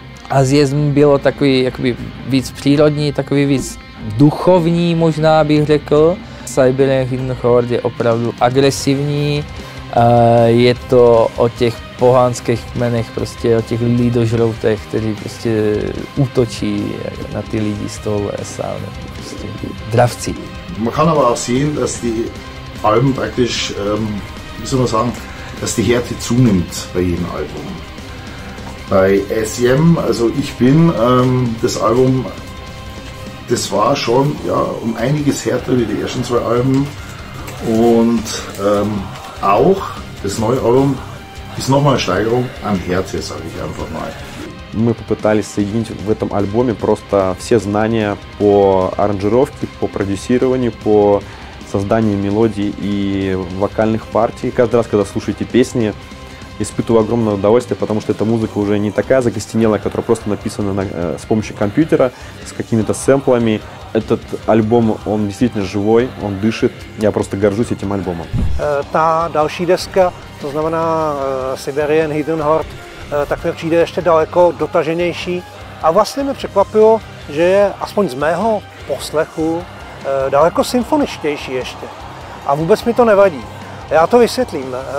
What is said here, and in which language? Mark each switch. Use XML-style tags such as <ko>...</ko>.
<cs>A zjezd bylo takový jakoby víc přírodní, takový víc duchovní, možná bych řekl. Siberian Hidden Horde je opravdu agresivní. Je to o těch pohanských kmenech, prostě o těch lidožroutech, kteří prostě útočí na ty lidi z toho lesa. Prostě dravci.</cs> <de>Man kann aber auch sehen, dass die Album praktisch, wie soll man sagen, dass die Härte zunimmt bei jedem Album. Bei SEM, also ich bin, das Album, das war schon ja, um einiges härter wie die ersten zwei Alben. Und auch das neue Album ist nochmal eine Steigerung an Härte, sage ich einfach mal.</de> <ru>Мы попытались соединить в этом альбоме просто все знания по аранжировке, по продюсированию, по создание мелодий и вокальных партий. Каждый раз, когда слушаете песни, испытываю огромное удовольствие, потому что эта музыка уже не такая закостенелая, которая просто написана с помощью компьютера, с какими-то сэмплами. Этот альбом, он действительно живой, он дышит. Я просто горжусь этим альбомом.</ru> <cs>Та další deska, to znamená Siberian Hidden Horde, tak mi přijde ještě daleko dotaženější. A vlastně mě překvapilo, že je aspoň z mého poslechu daleko symfoničtější ještě. A vůbec mi to nevadí. Já to vysvětlím.</cs>